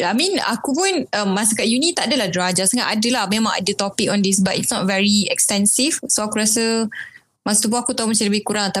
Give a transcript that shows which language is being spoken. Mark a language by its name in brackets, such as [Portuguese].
[English] I mean [Malay] aku pun masa kat uni tak adalah derajat sangat. Adalah, memang ada [English] topic on this but it's not very extensive. [Malay] So aku rasa masa tu pun aku tahu macam lebih kurang.